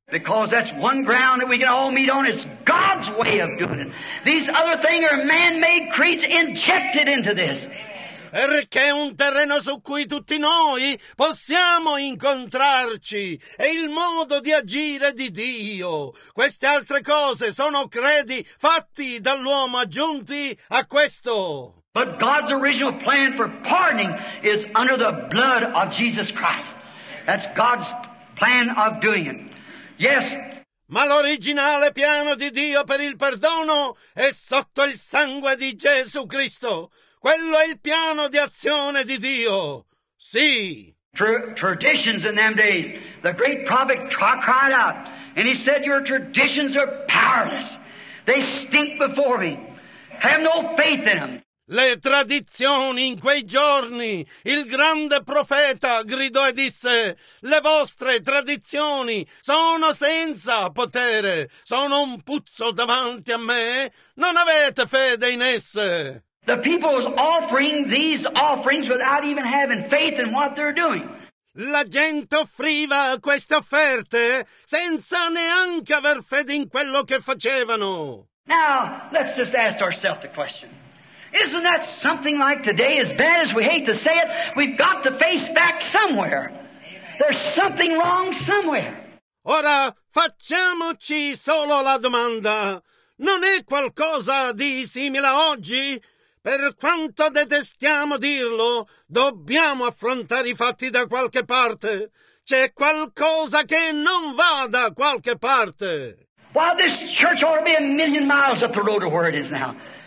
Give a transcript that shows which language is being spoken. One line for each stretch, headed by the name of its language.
English: Because that's one ground that we can all meet on, it's God's way of doing it. These other things are man-made creeds injected into this.
Italian: Perché è un terreno su cui tutti noi possiamo incontrarci, è il modo di agire di Dio. Queste altre cose sono credi fatti dall'uomo aggiunti a questo.
English: But God's original plan for pardoning is under the blood of Jesus Christ. That's God's plan of doing it. Yes.
Italian: Ma l'originale piano di Dio per il perdono è sotto il sangue di Gesù Cristo. Quello è il piano di azione di Dio. Sì.
English: Traditions in them days, the great prophet cried out, and he said, your traditions are powerless. They stink before me. Have no faith in them.
Italian: Le tradizioni in quei giorni, il grande profeta gridò e disse, le vostre tradizioni sono senza potere, sono un puzzo davanti a me, non avete fede in esse.
English: The people was offering these offerings without even having faith in what they're doing.
Italian: La gente offriva queste offerte senza neanche aver fede in quello che facevano.
English: Now, let's just ask ourselves the question. Isn't that something like today, as bad as we hate to say it, we've got to face back somewhere. There's something wrong somewhere.
Italian: Ora, facciamoci solo la domanda. Non è qualcosa di simile oggi? Per quanto detestiamo dirlo, dobbiamo affrontare i fatti da qualche parte. C'è qualcosa che non va da qualche parte.
English: Well, this church ought to be a million miles up the road of where it is now.